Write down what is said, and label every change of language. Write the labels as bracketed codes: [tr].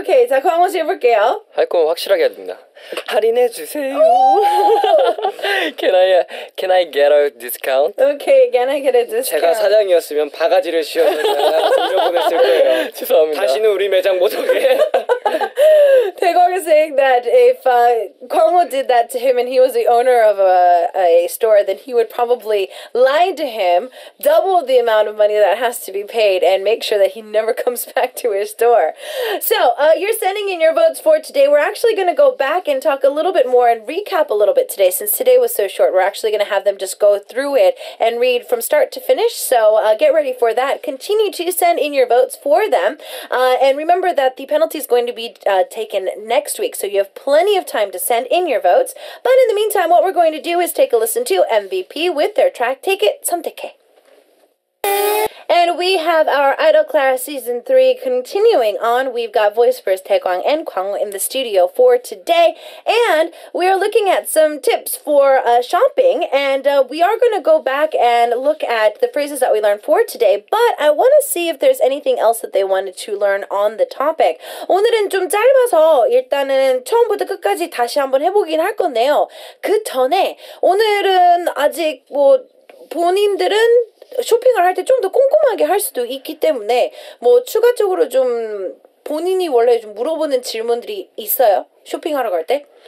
[ko] Okay, 자, 광호 씨 해볼게요. 할 거 확실하게 해야 됩니다. 할인해주세요. [en] Can I get a discount? Okay, can I get a discount? [ko] 제가 사장이었으면 바가지를 씌워서 물어보냈을 거예요. 죄송합니다. 다시는 우리 매장 못 오게. [en] 태광 is saying that if 광호 did that to him and he was the owner of a store, then he would probably lie to him, double the amount of money that has to be paid, and make sure that he never comes back to his store. So you're sending in your votes for today. We're actually going to go back and talk a little bit more and recap a little bit today. Since today was so short, we're actually going to have them just go through it and read from start to finish. So get ready for that. Continue to send in your votes for them. And remember that the penalty is going to be taken next week, so you have plenty of time to send in your votes. But in the meantime, what we're going to do is take a listen to MVP with their track Take It Santeke. And we have our Idol Class Season 3 continuing on. We've got voice first Taekwang and Kwang in the studio for today. And we are looking at some tips for shopping. And we are going to go back and look at the phrases that we learned for today. But I want to see if there's anything else that they wanted to learn on the topic. [ko] 오늘은 좀 짧아서 일단은 처음부터 끝까지 다시 한번 해보긴 할 건데요. 그 전에 오늘은 아직 뭐 본인들은 쇼핑을 할 때 좀 더 꼼꼼하게 할 수도 있기 때문에 뭐 추가적으로 좀 본인이 원래 좀 물어보는 질문들이 있어요? 쇼핑하러 갈 때?